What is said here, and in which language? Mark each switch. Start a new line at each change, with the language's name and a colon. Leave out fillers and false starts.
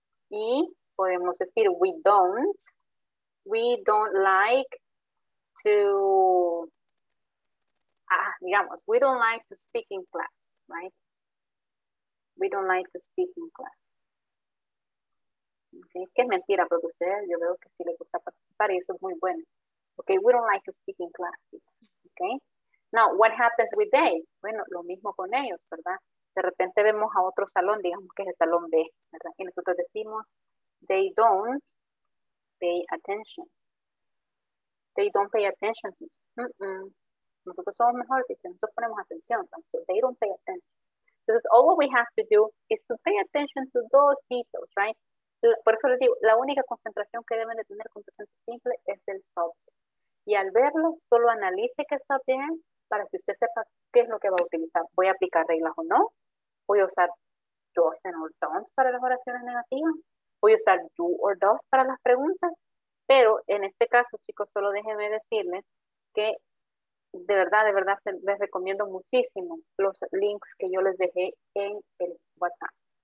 Spanish: Y podemos decir
English: we don't like to
Spanish: digamos,
English: we don't like to speak in class, right? We don't like to speak in class. ¿Ok?
Spanish: Que es mentira, porque ustedes, yo veo que sí les gusta participar y eso es muy bueno.
English: ¿Ok? We don't like to speak in class. ¿Ok? Now, what happens with they?
Spanish: Bueno, lo mismo con ellos, ¿verdad? De repente vemos a otro salón, digamos que es el salón B, ¿verdad? Y nosotros decimos,
English: they don't pay attention.
Spanish: They don't pay attention. Nosotros somos mejor, dicen, nosotros ponemos atención.
English: So they don't pay attention.
Spanish: Entonces,
English: all what we have to do is to pay attention to those details, right?
Spanish: Por eso les digo, la única concentración que deben de tener con presente simple es el subject. Y al verlo, solo analice qué está bien, para que usted sepa qué es lo que va a utilizar. ¿Voy a aplicar reglas o no? ¿Voy a usar doesn't or don't para las oraciones negativas? ¿Voy a usar do or does para las preguntas? Pero en este caso, chicos, solo déjenme decirles que de verdad, les recomiendo muchísimo los links que yo les dejé en el WhatsApp.